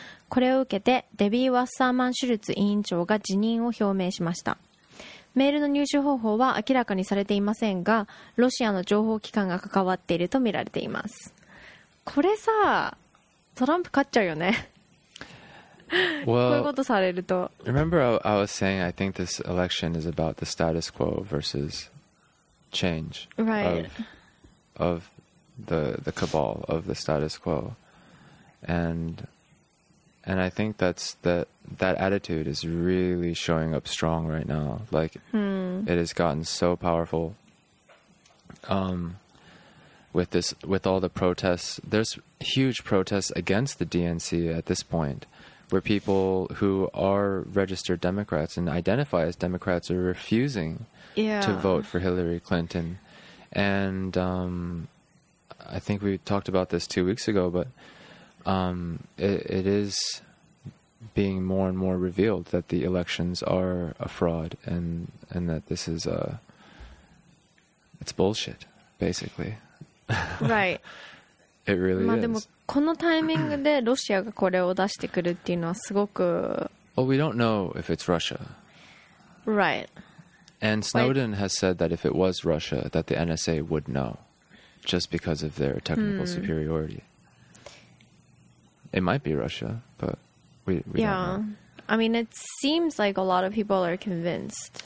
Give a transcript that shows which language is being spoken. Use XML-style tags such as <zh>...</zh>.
<ja>これを受けてデビー・ワッサーマン・シュルツ委員長が辞任を表明しました。メールの入手方法は明らかにされていませんが、ロシアの情報機関が関わっているとみられています。これさ、トランプ勝っちゃうよね。</ja> <en>Well,</en> <ja>こういうことされると。</ja> <en>Remember I was saying I think this election is about the status quo versus change of the cabal of the status quo. And I think that's that attitude is really showing up strong right now. Like, it has gotten so powerful. With all the protests, there's huge protests against the DNC at this point, where people who are registered Democrats and identify as Democrats are refusing to vote for Hillary Clinton. And I think we talked about this 2 weeks ago, but it is being more and more revealed that the elections are a fraud and that this is it's bullshit, basically. Right. It really is.</en> <ja>まあでもこのタイミングでロシアがこれを出してくるっていうのはすごく。</ja> <en>Well, we don't know if it's Russia. Right. And Snowden has said that if it was Russia, that the NSA would know, just because of their technical superiority. It might be Russia, but we yeah. don't know. I mean, it seems like a lot of people are convinced.</en>